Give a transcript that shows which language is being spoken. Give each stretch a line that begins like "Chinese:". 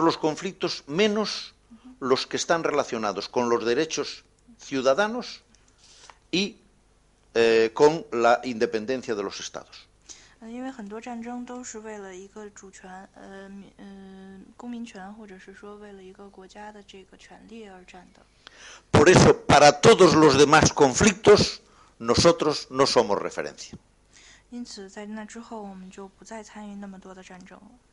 Spanish: los conflictos menos los que están relacionados con los derechos ciudadanos y con la independencia de los estados.
Chinese: 因为很多战争都是为了一个主权，公民权，或者是说为了一个国家的这个权利而战的。
Spanish: Por eso, para todos los demás conflictos, nosotros no somos referencia.
Chinese: 因此，在那之后，我们就不再参与那么多的战争了。